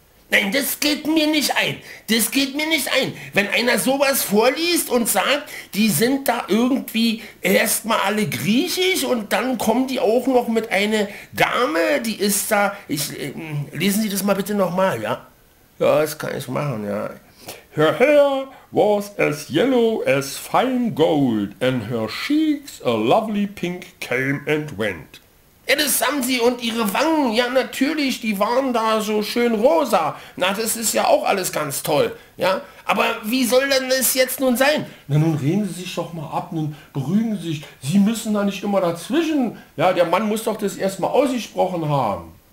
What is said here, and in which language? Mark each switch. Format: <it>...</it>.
<de>Nein, das geht mir nicht ein. Das geht mir nicht ein. Wenn einer sowas vorliest und sagt, die sind da irgendwie erstmal alle griechisch und dann kommen die auch noch mit einer Dame, die ist da... lesen Sie das mal bitte nochmal, ja? Ja, das kann ich machen, ja.</de> <en>Her hair was as yellow as fine gold and her cheeks a lovely pink came and went.</en> <de>Ja, das haben sie und ihre Wangen, ja natürlich, die waren da so schön rosa. Na, das ist ja auch alles ganz toll, ja. Aber wie soll denn das jetzt nun sein? Na nun reden Sie sich doch mal ab, nun beruhigen Sie sich. Sie müssen da nicht immer dazwischen. Ja, der Mann muss doch das erstmal ausgesprochen haben.</de>